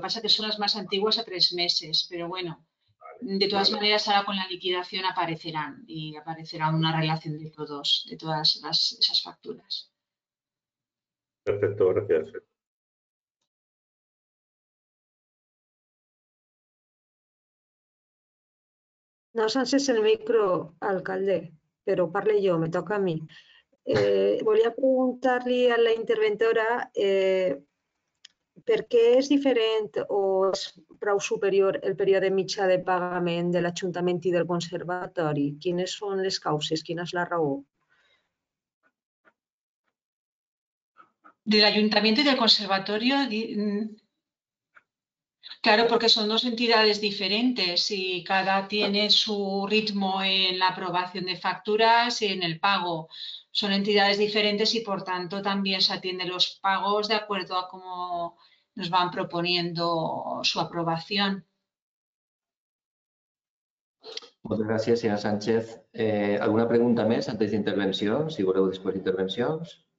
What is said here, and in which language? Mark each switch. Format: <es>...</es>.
<es>Pasa que son las más antiguas a 3 meses, pero bueno, vale, de todas maneras ahora con la liquidación aparecerán y aparecerá una relación de todos, de todas esas facturas. Perfecto, gracias. No sé si es el micro, alcalde, pero parle yo, me toca a mí. Volví a preguntarle a la interventora</es> <ca>¿per què és diferent o és prou superior el període mitjà de pagament de l'Ajuntament i del Conservatori? Quines són les causes? Quina és la raó? De l'Ajuntament i del Conservatori?</ca> <es>Claro, porque son dos entidades diferentes y cada tiene su ritmo en la aprobación de facturas y en el pago. Son entidades diferentes y, por tanto, también se atienden los pagos de acuerdo a cómo nos van proponiendo su aprobación.</es> <ca>Moltes gràcies, senyora Sánchez. Alguna pregunta més antes d'intervenció, si voleu després d'intervencions?</ca>